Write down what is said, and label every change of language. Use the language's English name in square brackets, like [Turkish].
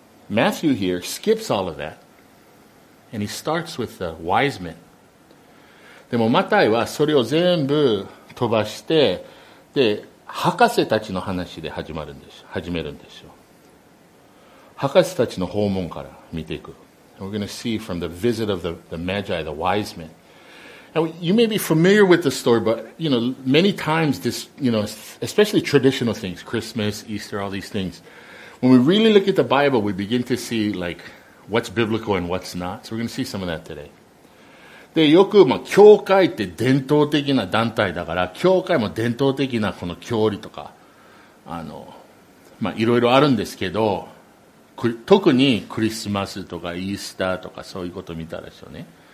[English] Matthew here skips all of that. And he starts with the wise men. [Japanese] でもマタイはそれを全部飛ばして、で、博士たちの話で始めるんでしょ。博士たちの訪問から見ていく。 [English] We're going to see from the visit of the magi, the wise men. Now, you may be familiar with the story, but, you know, many times this, you know, especially traditional things, Christmas, Easter, all these things, when we really look at the Bible, we begin to see, like,What's biblical and what's not? So we're going to see some of that today. [Japanese] で、よく、まあ、教会って伝統的な団体だから、教会も伝統的なこの教理とか、まあ、いろいろあるんですけど、特にクリスマスとかイースターとかそういうことを見たらしょうね。